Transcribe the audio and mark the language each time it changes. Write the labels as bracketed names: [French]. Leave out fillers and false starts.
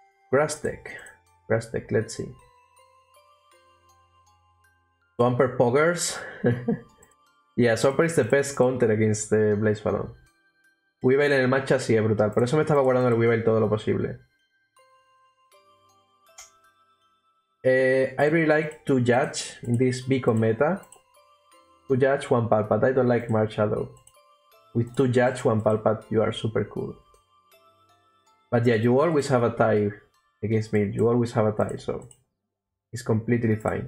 [English] Grass deck, let's see. Swampert Poggers. Yeah, Swampert is the best counter against the Blaze Fallon. [Spanish] Weavile en el match así es brutal. Por eso me estaba guardando el Weavile todo lo posible. [English] I really like to judge in this Beacon meta. To judge one Palpat, I don't like Marshadow. With to judge one Palpat, you are super cool. But yeah, you always have a tie against me. You always have a tie, so it's completely fine.